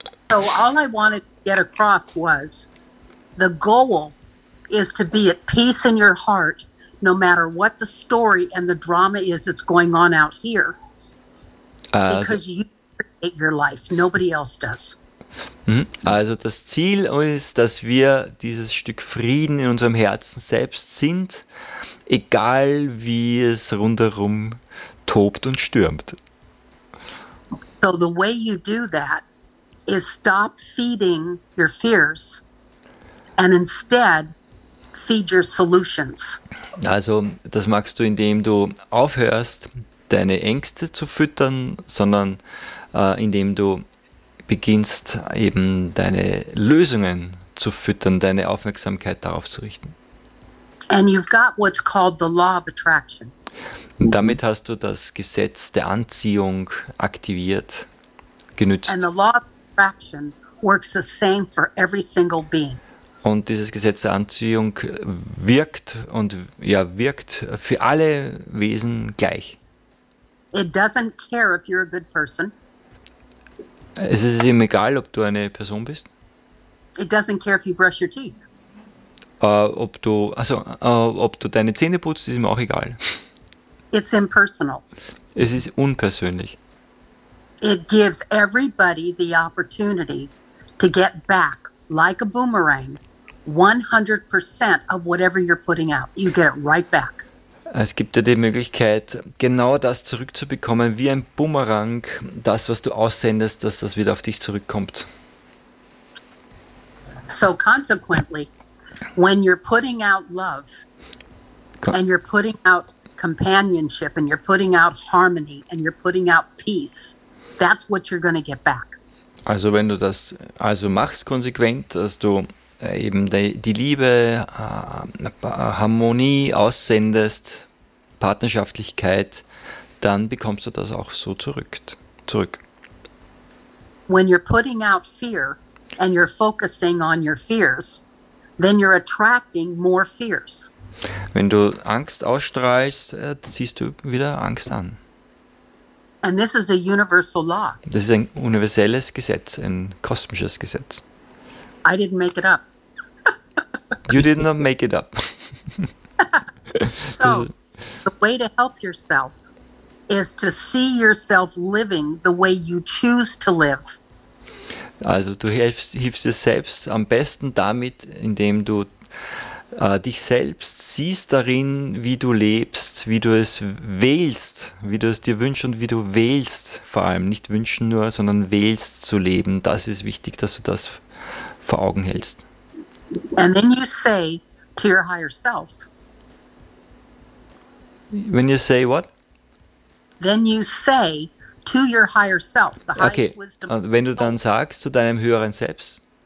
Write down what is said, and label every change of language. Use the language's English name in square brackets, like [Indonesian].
[English] So all I wanted to get across was the goal is to be at peace in your heart. No matter what the story and the drama is that's going on out here. Because you create your life. Nobody else does. [German] Also das Ziel ist, dass wir dieses Stück Frieden in unserem Herzen selbst sind, egal wie es rundherum tobt und stürmt. [English] So the way you do that is stop feeding your fears and instead feed your solutions. [German] Also, das machst du, indem du aufhörst, deine Ängste zu füttern, sondern indem du beginnst, eben deine Lösungen zu füttern, deine Aufmerksamkeit darauf zu richten. [English] And you've got what's called the law of attraction. [German] Damit hast du das Gesetz der Anziehung aktiviert, genützt. [English] And the law of attraction works the same for every single being. [German] Und dieses Gesetz der Anziehung wirkt und ja wirkt für alle Wesen gleich. [English] It doesn't care if you're a good person. [German] Es ist ihm egal, ob du eine Person bist. [English] It doesn't care if you brush your teeth. [German] Ob du deine Zähne putzt, ist ihm auch egal. [English] It's impersonal. [German] Es ist unpersönlich. [English] It gives everybody the opportunity to get back like a boomerang. 100% of whatever you're putting out, you get it right back. [German] Es gibt dir die Möglichkeit, genau das zurückzubekommen, wie ein Bumerang, das, was du aussendest, dass das wieder auf dich zurückkommt. [English] So consequently, when you're putting out love, and you're putting out companionship, and you're putting out harmony, and you're putting out peace, that's what you're going to get back. [German] Also wenn du das also machst konsequent, dass du eben die Liebe, Harmonie aussendest, Partnerschaftlichkeit, dann bekommst du das auch so zurück. [English] When you're putting out fear and you're focusing on your fears, then you're attracting more fears. [German] Wenn du Angst ausstrahlst, ziehst du wieder Angst an. [English] And this is a universal law. [German] Das ist ein universelles Gesetz, ein kosmisches Gesetz. [English] I didn't make it up. You did not make it up. So, the way to help yourself is to see yourself living the way you choose to live. [German] Also, du hilfst dir selbst am besten damit, indem du dich selbst siehst darin, wie du lebst, wie du es wählst, wie du es dir wünschst und wie du wählst, vor allem nicht wünschen nur, sondern wählst zu leben. Das ist wichtig, dass du das vor Augen hältst. [English] And then you say to your higher self. When you say what? Then you say to your higher self, the highest wisdom. Okay. [German] Wenn du dann sagst zu deinem höheren Selbst,